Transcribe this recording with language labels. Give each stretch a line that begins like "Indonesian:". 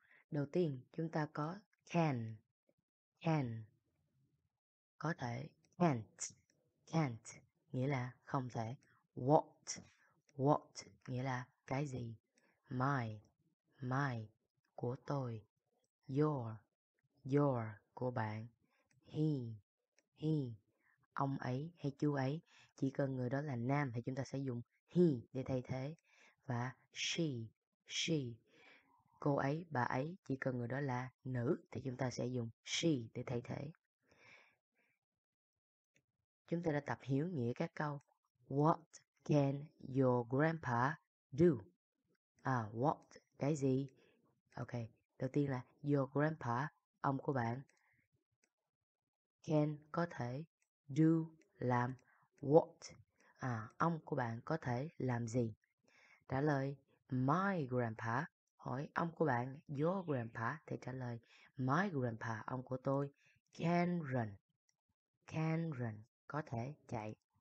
Vietnamese: Đầu tiên, chúng ta có
English: can,
Vietnamese: có thể,
English: can't,
Vietnamese: nghĩa là không thể,
English: what,
Vietnamese: nghĩa là cái gì,
English: my,
Vietnamese: của tôi,
English: your,
Vietnamese: của bạn,
English: he,
Vietnamese: ông ấy hay chú ấy, chỉ cần người đó là nam thì chúng ta sẽ dùng he để thay thế. Và
English: she,
Vietnamese: cô ấy, bà ấy, chỉ cần người đó là nữ thì chúng ta sẽ dùng she để thay thế. Chúng ta đã tập hiểu nghĩa các câu.
English: What can your grandpa do? What,
Vietnamese: cái gì? Ok, đầu tiên là
English: your grandpa,
Vietnamese: ông của bạn.
English: Can,
Vietnamese: có thể.
English: Do,
Vietnamese: làm.
English: What,
Vietnamese: ông của bạn có thể làm gì? Trả lời
English: my grandpa,
Vietnamese: hỏi ông của bạn
English: your grandpa
Vietnamese: thì trả lời my grandpa, ông của tôi,
English: can run,
Vietnamese: có thể chạy.